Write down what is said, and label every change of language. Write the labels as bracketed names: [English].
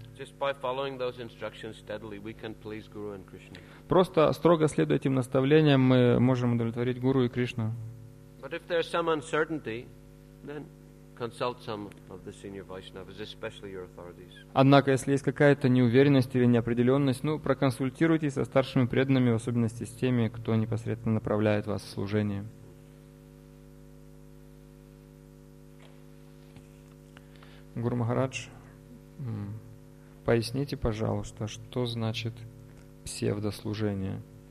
[English] Just by following those instructions steadily, we can please Guru and Krishna. [Russian] Просто строго следуя этим наставлениям, мы можем удовлетворить Гуру и Кришну. [English] But if there's some uncertainty, then consult some of the senior Vaishnavas, especially your authorities. [Russian] Однако, если есть какая-то неуверенность или неопределенность, ну, проконсультируйтесь со старшими преданными, в особенности с теми, кто непосредственно направляет вас в служение. Гуру Махарадж, поясните, пожалуйста, что значит псевдослужение?